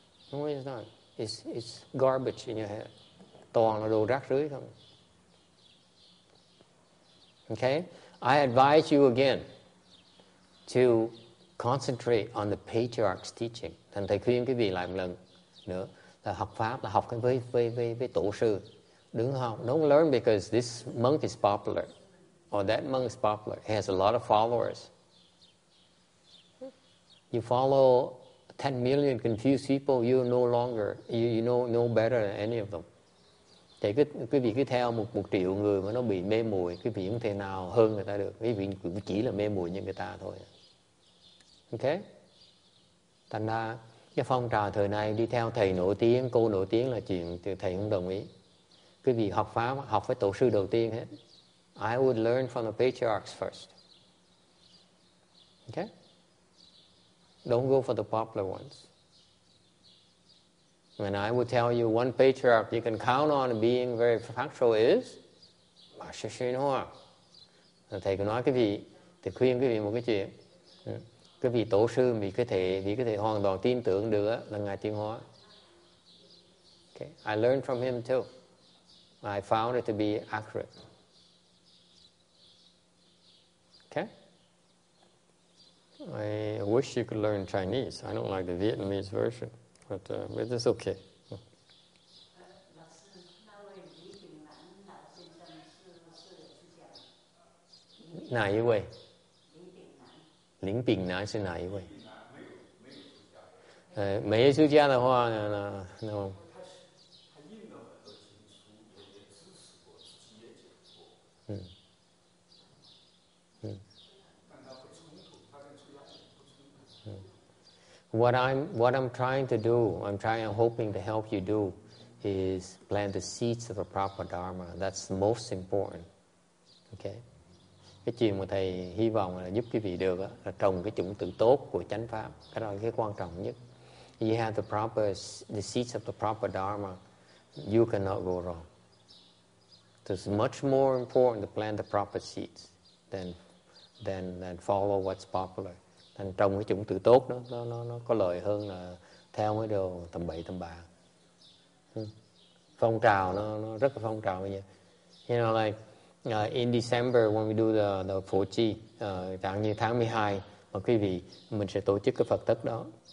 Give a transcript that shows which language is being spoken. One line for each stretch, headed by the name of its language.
English: Don't waste your time. It's garbage in your head.
Vietnamese: Toàn là đồ rác rưới không.
English: Ok? I advise you again to concentrate on the patriarch's teaching.
Vietnamese: Thành thầy khuyên cái vị lại một lần nữa. Là học pháp là học với tổ sư. Đúng không?
English: Don't learn because this monk is popular or that monk is popular. He has a lot of followers. You follow 10 million confused people, you know better than any of them.
Vietnamese: Thì quý vị cứ theo một triệu người mà nó bị mê muội, quý vị không thể nào hơn người ta được. Quý vị chỉ là mê muội như người ta thôi. Okay? Thành ra cái phong trào thời nay đi theo thầy nổi tiếng, cô nổi tiếng là chuyện thầy không đồng ý. quý vị học pháp học với tổ sư đầu tiên hết.
English: I would learn from the patriarchs first. Okay? Don't go for the popular ones. When I would tell you one patriarch you can count on being very factual is Master Shinhua.
Vietnamese: Thầy có nói quý vị, thì khuyên quý vị một cái chuyện. Quý vị tổ sư vì có thể hoàn toàn tin tưởng được là Ngài Tiên Hóa.
English: Okay. I learned from him too. I found it to be accurate. Okay? I wish you could learn Chinese. I don't like the Vietnamese version. But it's okay.
Vietnamese: Ngài Yi Wei. Lính Bình Nái sư Ngài Yi Wei. Mấy sư gia đó hoa là...
English: What I'm trying to do, I'm hoping to help you do, is plant the seeds of a proper dharma. That's the most important. Okay.
Vietnamese: Cái chuyện mà thầy hy vọng là giúp quý vị được đó, là trồng cái chủng tử tốt của chánh pháp. Cái đó là cái quan trọng nhất.
English: You have the seeds of the proper dharma. You cannot go wrong. It's much more important to plant the proper seeds than follow what's popular.
Vietnamese: Thành trồng cái chủng tử tốt đó, nó có lợi hơn là theo cái đồ tầm bậy tầm bạ. Phong trào nó rất là phong trào bây giờ.
English: You know, like in December when we do the Phổ Chi,
Vietnamese: chẳng như tháng 12 mà quý vị, mình sẽ tổ chức cái Phật tất đó.